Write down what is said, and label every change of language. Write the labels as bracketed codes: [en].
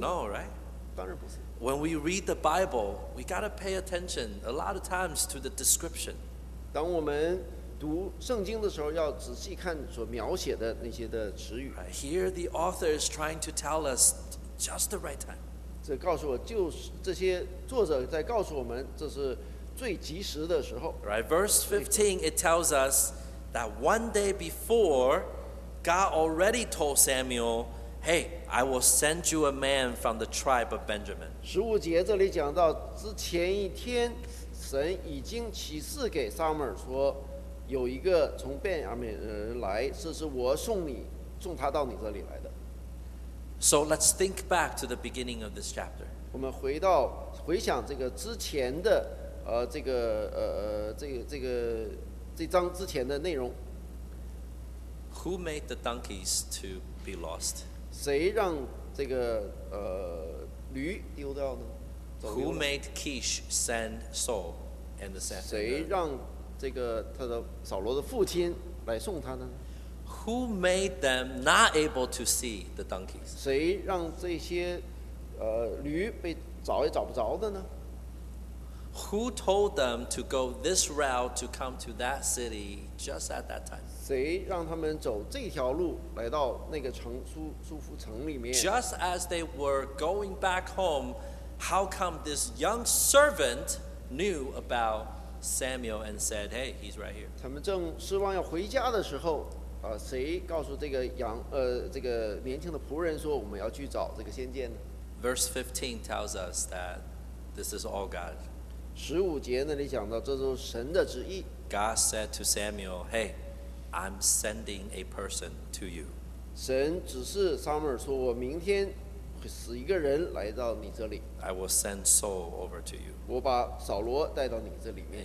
[en] No, right? When we read the Bible, we gotta pay attention a lot of times to the description. [zh] 当我们读圣经的时候，要仔细看所描写的那些的词语。 [en] Here, the author is trying to tell us just the right time. [zh] 这告诉我就是这些作者在告诉我们，这是最及时的时候。 [en] Right, verse 15, it tells us that one day before, God already told Samuel. Hey, I will send you a man from the tribe of Benjamin. [zh] 十五节这里讲到，之前一天，神已经启示给撒母耳说，有一个从便雅悯人来，这是我送他到你这里来的。 [en] So let's think back to the beginning of this chapter. [zh] 我们回想这个之前的这章之前的内容。 [en] Who made the donkeys to be lost? [zh] 谁让这个驴丢掉呢？ [en] Who made Kish send Saul and the Seth? [zh] 谁让这个他的扫罗的父亲来送他呢？ [en] Who made them not able to see the donkeys? [zh] 谁让这些驴被找也找不着的呢？ [en] Who told them to go this route to come to that city just at that time? [zh] 谁让他们走这条路来到那个城苏夫城里面？ [en] Just as they were going back home, how come this young servant knew about Samuel and said, "Hey, he's right here"? [zh] 他们正失望要回家的时候。谁告诉这个年轻的仆人说我们要去找这个先见呢？ [en] Verse 15 tells us that this is all God. [zh] 十五节那里讲到这是神的旨意。 [en] God said to Samuel, "Hey, I'm sending a person to you." [zh] 神指示撒母耳说，我明天会使一个人来到你这里。 [en] I will send Saul over to you. [zh] 我把扫罗带到你这里面。